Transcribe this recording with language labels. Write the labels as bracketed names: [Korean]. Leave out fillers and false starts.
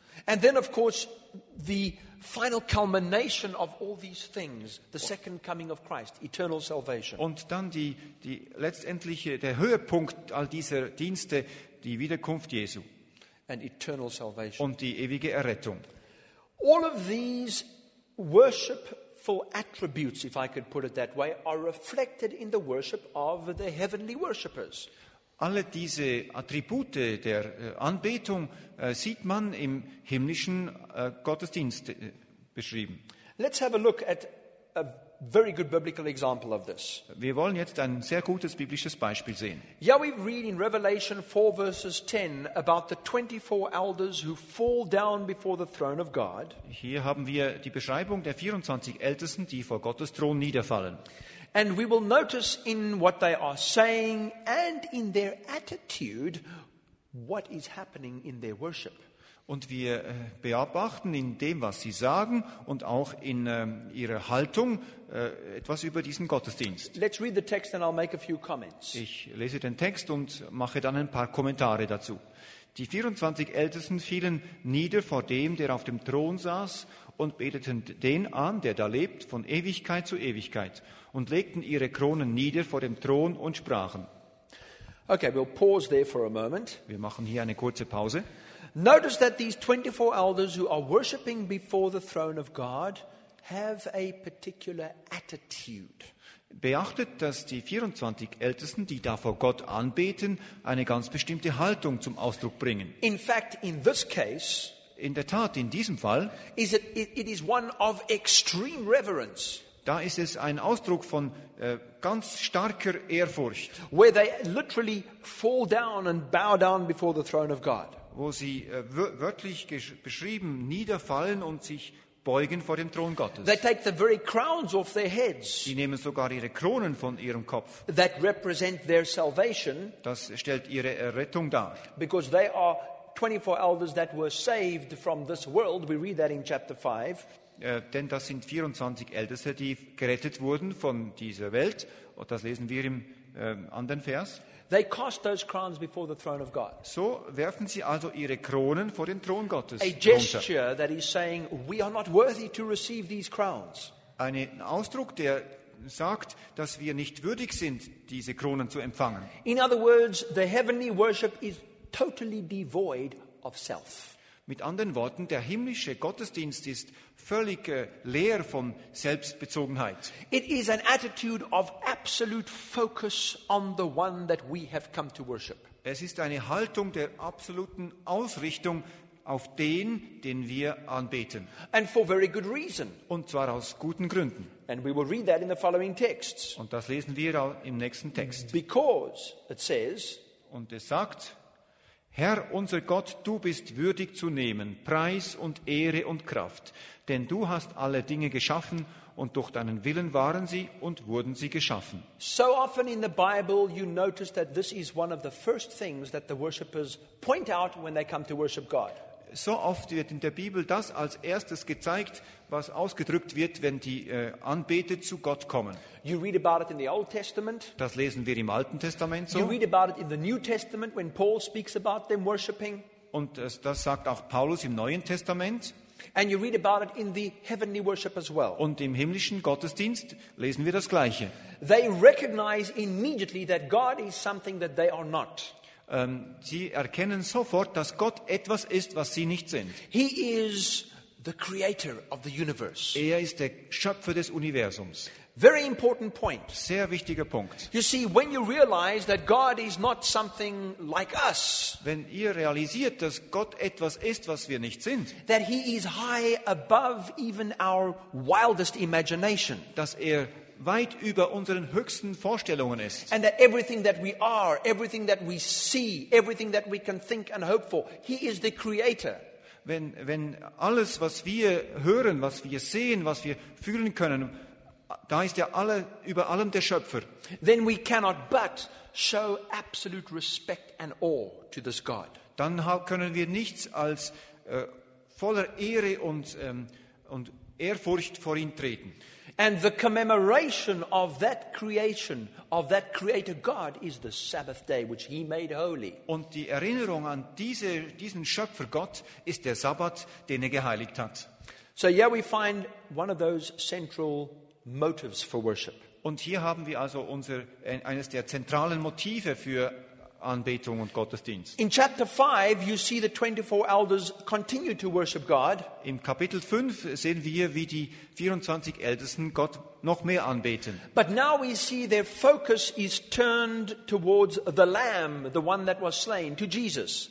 [English] And then of course the final culmination of all these things, the second coming of Christ, eternal salvation. [German] Und dann die letztendliche, der Höhepunkt all dieser Dienste, die Wiederkunft Jesu. [English] And eternal salvation. [German] Und die ewige Errettung. [English] All of these worshipful attributes, if I could put it that way, are reflected in the worship of the heavenly worshippers. [German] Alle diese Attribute der Anbetung sieht man im himmlischen Gottesdienst beschrieben. [English] Let's have a look at a very good biblical example of this. [German] Wir wollen jetzt ein sehr gutes biblisches Beispiel sehen. [English] Yeah, we read in Revelation 4 verses 10 about the 24 elders who fall down before the throne of God. [German] Hier haben wir die Beschreibung der 24 Ältesten, die vor Gottes Thron niederfallen. [English] And we will notice in what they are saying and in their attitude what is happening in their worship. [German] Und wir beobachten in dem, was sie sagen, und auch in ihrer Haltung etwas über diesen Gottesdienst. [English] Let's read the text and I'll make a few comments. [German] Ich lese den Text und mache dann ein paar Kommentare dazu. Die 24 Ältesten fielen nieder vor dem, der auf dem Thron saß, und beteten den an, der da lebt, von Ewigkeit zu Ewigkeit, und legten ihre Kronen nieder vor dem Thron und sprachen. [English] Okay, we'll pause there for a moment. [German] Wir machen hier eine kurze Pause. [English] Notice that these 24 elders who are worshiping before the throne of God have a particular attitude. [German] Beachtet, dass die 24 Ältesten, die da vor Gott anbeten, eine ganz bestimmte Haltung zum Ausdruck bringen. [English] In fact, in this case, [German] in der Tat, in diesem Fall, [English] it is one of extreme reverence. [German] Da ist es ein Ausdruck von ganz starker Ehrfurcht. [English] Where they literally fall down and bow down before the throne of God. [German] Wo sie wörtlich beschrieben niederfallen und sich beugen vor dem Thron Gottes. [English] They take the very crowns off their heads. [German] Sie nehmen sogar ihre Kronen von ihrem Kopf. [English] That represent their salvation. [German] Das stellt ihre Errettung dar. [English] Because they are 24 elders that were saved from this world. We read that in chapter 5. [German] Denn das sind 24 Älteste, die gerettet wurden von dieser Welt. Und das lesen wir im anderen Vers. [English] They cast those crowns before the throne of God. [German] So werfen sie also ihre Kronen vor den Thron Gottes. [English] A gesture that is saying we are not worthy to receive these crowns. [German] Ein Ausdruck, der sagt, dass wir nicht würdig sind, diese Kronen zu empfangen. [English] In other words, the heavenly worship is totally devoid of self. [German] Mit anderen Worten, der himmlische Gottesdienst ist völlig leer von Selbstbezogenheit. [English] It is an attitude of absolute focus on the one that we have come to worship. [German] Es ist eine Haltung der absoluten Ausrichtung auf den, den wir anbeten. [English] And for very good reason. [German] Und zwar aus guten Gründen. [English] And we will read that in the following texts. [German] Und das lesen wir im nächsten Text. [English] Because it says, [German] und es sagt, Herr, unser Gott, du bist würdig zu nehmen, Preis und Ehre und Kraft, denn du hast alle Dinge geschaffen und durch deinen Willen waren sie und wurden sie geschaffen. [English] So often in the Bible you notice that this is one of the first things that the worshippers point out when they come to worship God. [German] So oft wird in der Bibel das als erstes gezeigt, was ausgedrückt wird, wenn die Anbeter zu Gott kommen. [English] You read about it in the Old Testament. [German] Das lesen wir im Alten Testament so. [English] You read about it in the New Testament when Paul speaks about them worshiping. [German] Und das sagt auch Paulus im Neuen Testament. [English] And you read about it in the heavenly worship as well. [German] Und im himmlischen Gottesdienst lesen wir das Gleiche. [English] They recognize immediately that God is something that they are not. [German] Sie erkennen sofort, dass Gott etwas ist, was sie nicht sind. [English] He is the creator of the universe. [German] Er ist der Schöpfer des Universums. [English] Very important point. [German] Sehr wichtiger Punkt. [English] You see, when you realize that God is not something like us, [German] wenn ihr realisiert, dass Gott etwas ist, was wir nicht sind, [English] that he is high above even our wildest imagination, [German] dass er weit über unseren höchsten Vorstellungen ist. [English] And that everything that we are, everything that we see, everything that we can think and hope for, he is the creator. [German] Wenn alles, was wir hören, was wir sehen, was wir fühlen können, da ist er über allem der Schöpfer. [English] Then we cannot but show absolute respect and awe to this God. [German] Dann können wir nichts als voller Ehre und Ehrfurcht vor ihn treten. [English] And the commemoration of that creation, of that creator God, is the Sabbath day which he made holy. [German] Und die Erinnerung an diesen Schöpfer Gott ist der Sabbat, den er geheiligt hat. [English] So here we find one of those central motives for worship. [German] Und hier haben wir also eines der zentralen Motive für Anbetung und Gottesdienst. [English] In chapter 5 you see the 24 elders continue to worship God. [German] Im Kapitel 5 sehen wir, wie die 24 Ältesten Gott noch mehr anbeten. [English] But now we see their focus is turned towards the lamb, the one that was slain, to Jesus.